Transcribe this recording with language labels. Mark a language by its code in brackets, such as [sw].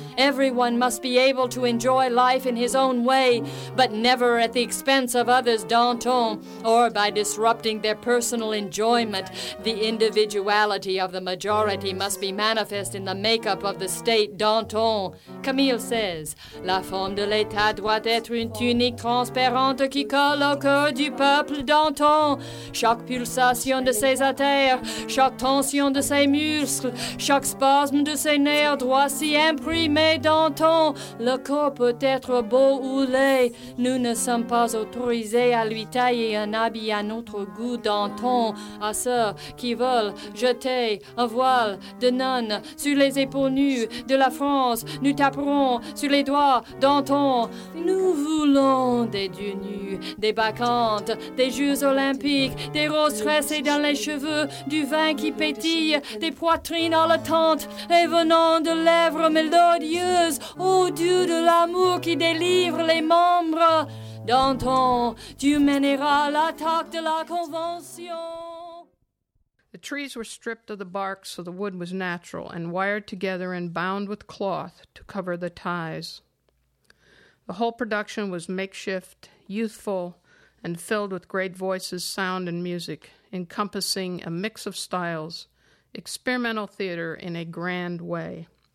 [en] Everyone must be able to enjoy life in his own way, but never at the expense of others, Danton, or by disrupting their personal enjoyment. The individuality of the majority must be manifest in the makeup of the state, Danton. Camille says, [fr] La forme de l'État doit être une tunique transparente qui colle au cœur du peuple, Danton. Chaque pulsation de ses artères, chaque tension de ses muscles, chaque spasme de ses nerfs doit s'y imprimer. Danton, le corps peut être beau ou laid. Nous ne sommes pas autorisés à lui tailler un habit à notre goût, Danton. À ceux qui veulent jeter un voile de nonne sur les épaules nues de la France, nous taperons sur les doigts, Danton. Nous voulons des dieux nus, des bacchantes, des jeux olympiques, des roses tressées dans les cheveux, du vin qui pétille, des poitrines haletantes et venant de lèvres mélodieuses. Ô Dieu de l'amour qui délivre les membres, Danton, tu mèneras l'attaque de la Convention. [en] The trees were stripped of the bark so the wood was natural and wired together and bound with cloth to cover the ties. The whole production was makeshift, youthful, and filled with great voices, sound, and music, encompassing a mix of styles, experimental theater in a grand way.